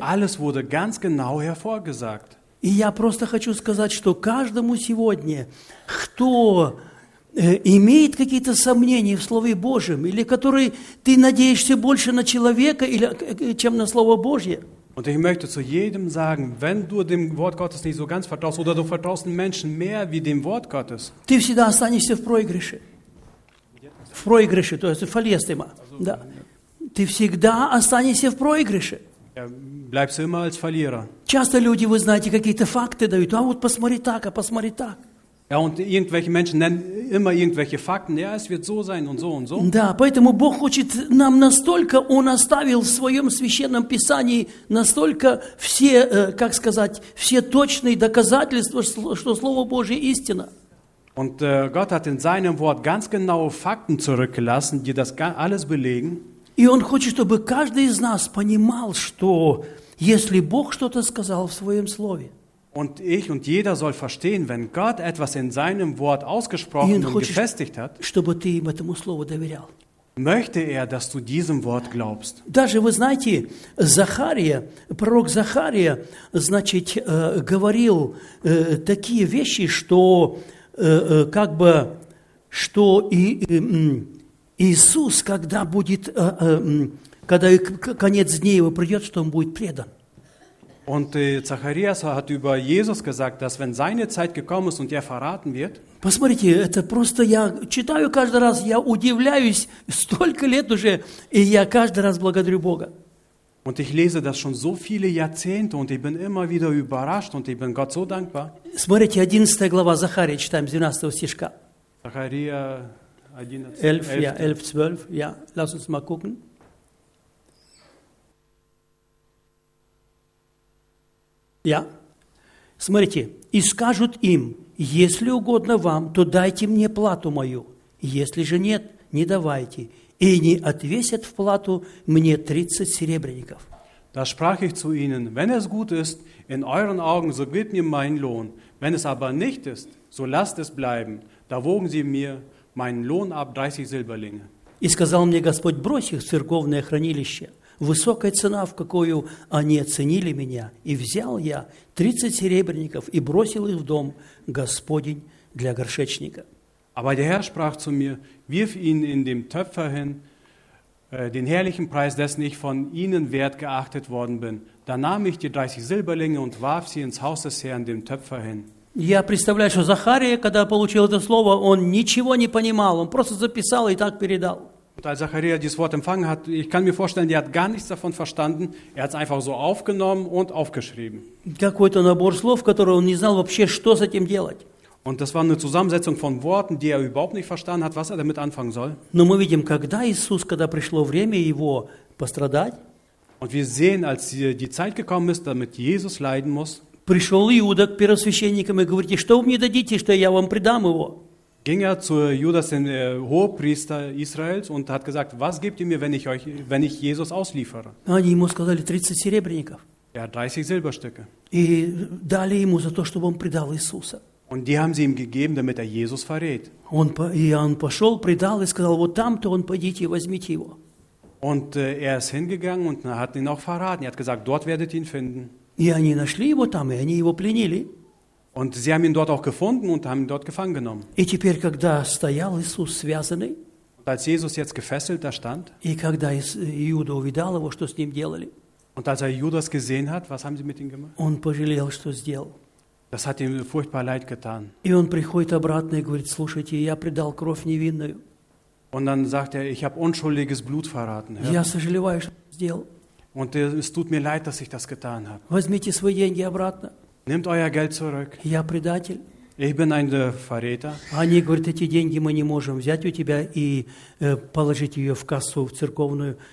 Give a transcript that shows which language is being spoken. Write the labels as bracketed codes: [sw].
[de] Alles wurde ganz genau hervorgesagt. [ru] И я просто хочу сказать, что каждому сегодня, кто имеет какие-то сомнения в Слове Божьем, или который ты надеешься больше на человека, или, чем на Слово Божье, [de] und ich möchte zu jedem sagen, wenn du dem Wort Gottes nicht so ganz vertraust oder du vertraust den Menschen mehr wie dem Wort Gottes, [ru] ты всегда останешься в проигрыше. В проигрыше, то есть [de] verlierst immer. Also, да. Ja. [ru] Ты всегда останешься в проигрыше. [de] Ja, bleibst du immer als Verlierer. [ru] Часто люди, вы знаете, какие-то факты дают. А вот посмотри так, а посмотри так. [de] Ja, und irgendwelche Menschen nennen immer irgendwelche Fakten. Ja, es wird so sein und so und so. [ru] Да, поэтому Бог хочет нам настолько, Он оставил в Своем Священном Писании настолько все, как сказать, все точные доказательства, что Слово Божие истина. [de] Und Gott hat in seinem Wort ganz genaue Fakten zurückgelassen, die das alles belegen. [ru] И Он хочет, чтобы каждый из нас понимал, что если Бог что-то сказал в Своем Слове, [de] und ich und jeder soll verstehen, wenn Gott etwas in seinem Wort ausgesprochen und gefestigt hat, [ru] чтобы ты им этому слову доверял, [de] möchte er, dass du diesem Wort glaubst. [ru] Даже, вы знаете, Захария, пророк Захария, значит, говорил такие вещи, что как бы, что Иисус, когда будет, когда конец дней его придет, что он будет предан. [de] Und Zacharias hat über Jesus gesagt, dass wenn seine Zeit gekommen ist und er verraten wird. [ru] Посмотрите, это просто я читаю каждый раз, я удивляюсь, столько лет уже, и я каждый раз благодарю Бога. [de] Und ich lese das schon so viele Jahrzehnte und ich bin immer wieder überrascht und ich bin Gott so dankbar. [ru] Смотрите, 11 глава Захария, читаем 12 стишка. Захария [de] 11, 12, ja, lass uns mal gucken. [ru] Я. Смотрите, и скажут им, если угодно вам, то дайте мне плату мою, если же нет, не давайте, и не отвесят в плату мне 30 серебряников. [de] Da sprach ich zu ihnen, wenn es gut ist, in euren Augen, so gebt mir meinen Lohn, wenn es aber nicht ist, so lasst es bleiben, da wogen sie mir meinen Lohn ab 30 Silberlinge. [ru] И сказал мне Господь, брось их в церковное хранилище. Высокая цена, в какую они оценили меня, и взял я 30 серебряников и бросил их в дом Господень для горшечника. [de] Aber der Herr sprach zu mir, wirf ihn in dem Töpfer hin, den herrlichen Preis, dessen ich von ihnen wert geachtet worden bin. Da nahm ich die 30 Silberlinge und warf sie ins Haus des Herrn, dem Töpfer hin. [ru] Я представляю, что Захария, когда получил это слово, он ничего не понимал, он просто записал и так передал. [de] Und als Zacharia dieses Wort empfangen hat, ich kann mir vorstellen, er hat gar nichts davon verstanden. Er hat es einfach so aufgenommen und aufgeschrieben. [ru] Какой-то набор слов, который он не знал вообще, что с этим делать. [de] Und das war eine Zusammensetzung von Worten, die er überhaupt nicht verstanden hat, was er damit anfangen soll. [ru] Но мы видим, когда Иисус, когда пришло время его пострадать. [de] Und wir sehen, als die Zeit gekommen ist, damit Jesus leiden muss. [ru] Пришел Иуда к первосвященникам и говорит, что вы мне дадите, что я вам предам его. [de] ging er zu Judas, dem Hohepriester Israels, und hat gesagt, was gebt ihr mir, wenn ich Jesus ausliefere? [ru] Они ему сказали 30 серебряников. [de] Er hat 30 Silberstücke. [ru] И дали ему за то, чтобы он предал Иисуса. [de] Und die haben sie ihm gegeben, damit er Jesus verrät. [ru] Он пошел, предал и сказал, вот там-то он, пойдите, возьмите его. [de] Und er ist hingegangen und hat ihn auch verraten. Er hat gesagt, dort werdet ihr ihn finden. [ru] И они нашли его там, и они его пленили. [de] Und sie haben ihn dort auch gefunden und haben ihn dort gefangen genommen. [ru] И теперь, когда стоял Иисус связанный, [de] und als Jesus jetzt gefesselt da stand, [ru] и когда Иуда увидал его, что с ним делали, [de] und als er Judas gesehen hat, was haben sie mit ihm gemacht? [ru] Он пожалел, что сделал. [de] Das hat ihm furchtbar leid getan. [ru] И он приходит обратно и говорит, слушайте, я предал кровь невинную. [de] Und dann sagt er, ich habe unschuldiges Blut verraten. [ru] Я сожалеваю, что сделал. [de] Und es tut mir leid, dass ich das getan habe. [ru] Возьмите свои деньги обратно. [de] Nehmt euer Geld zurück. [ru] Я предатель. [de] Ich bin ein Verräter. [ru] Они говорят, эти деньги мы не можем взять у тебя и положить ее в кассу, в церковную.